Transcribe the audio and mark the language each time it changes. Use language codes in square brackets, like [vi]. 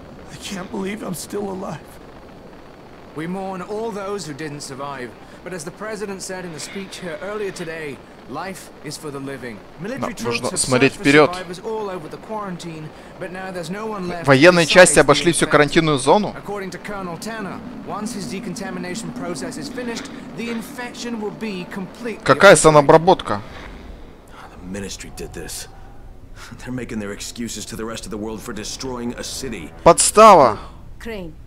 [en] I can't believe I'm still alive. We mourn all those who didn't survive, but as the president said in the speech here earlier today, life is for the living. Military troops have searched for survivors all over the quarantine, but now there's no one left. [ru] Военные части обошли всю карантинную зону. [en] According to Colonel Tanner, once his decontamination process is finished, the infection will be completely. [ru] Какая санобработка? [en] The ministry did this. They're making their excuses to the rest of the world for destroying a city. [ru] Подстава. [en] Crane.